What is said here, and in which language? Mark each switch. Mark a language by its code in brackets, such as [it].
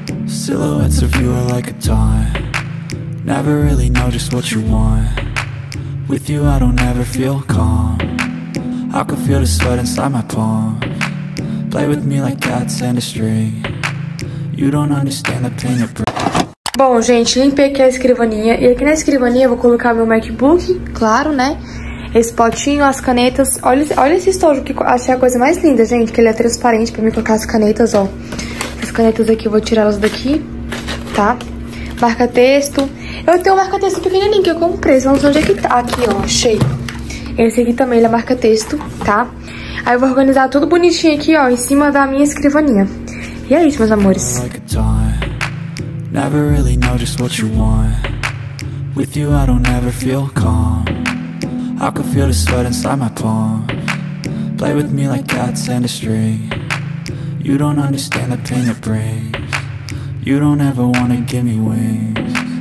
[en] Silhouettes of you are like a taunt. Never really know just what you want. With you I don't ever feel calm. I can feel the sweat inside my palm. Play with me like cats and a string. You don't understand the pain of... [pt] Bom, gente, limpei aqui a escrivaninha. E aqui na escrivaninha eu vou colocar meu MacBook, claro, né? Esse potinho, as canetas. Olha esse estojo, que achei a coisa mais linda, gente. Que ele é transparente pra mim colocar as canetas, ó. As canetas aqui, eu vou tirar elas daqui, tá? Marca-texto. Eu tenho um marca-texto pequenininho que eu comprei. Vocês vão saber onde é que tá. Aqui, ó, achei. Esse aqui também, ele é marca-texto, tá? Aí eu vou organizar tudo bonitinho aqui, ó, em cima da minha escrivaninha. E é isso, meus amores. [en] Never really know just what you want. With you I don't ever feel calm. I can feel the sweat inside my palm. Play with me like cats and a string. You don't understand the pain it brings. You don't ever wanna give me wings.